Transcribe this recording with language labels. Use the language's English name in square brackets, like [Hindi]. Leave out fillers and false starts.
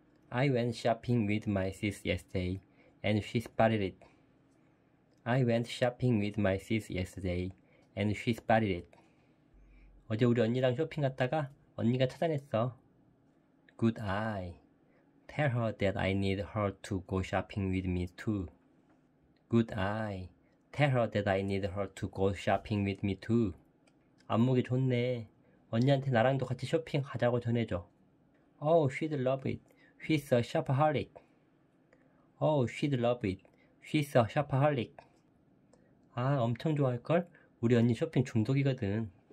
[English] I went shopping with my sis yesterday, and she spotted it. I went shopping with my sis yesterday, and she spotted it. [Korean] 어제 우리 언니랑 쇼핑 갔다가 언니가 찾아냈어. [English] Good eye. Tell her that I need her to go shopping with me too. Good eye. Tell her that I need her to go shopping with me too. [Korean] 안목이 좋네. 언니한테 나랑도 같이 쇼핑 가자고 전해줘. [English] Oh, she'd love it. She's a shopaholic. Oh, she'd love it. She's a shopaholic. [Korean] 아, 엄청 좋아할걸? 우리 언니 쇼핑 중독이거든.